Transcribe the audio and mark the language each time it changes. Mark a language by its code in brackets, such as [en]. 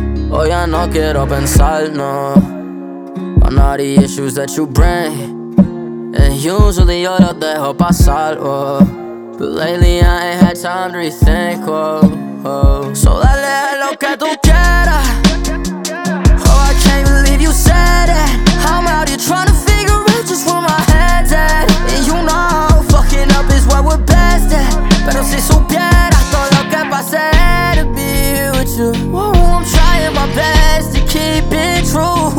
[es] Hoy ya no quiero pensar, no. [en] On all the issues that you bring. And usually [es] yo lo dejo pasar, [en] oh. But lately I ain't had time to rethink, oh, oh. [es] So dale a lo que tú quieras. [en] Oh, I can't believe you said that. I'm out here trying to figure out just where my head's at. And you know, fucking up is where we're best at. [es] Pero si supieras todo lo que pasé [en] to be here with you. Oh, I'm trying my best to keep it true.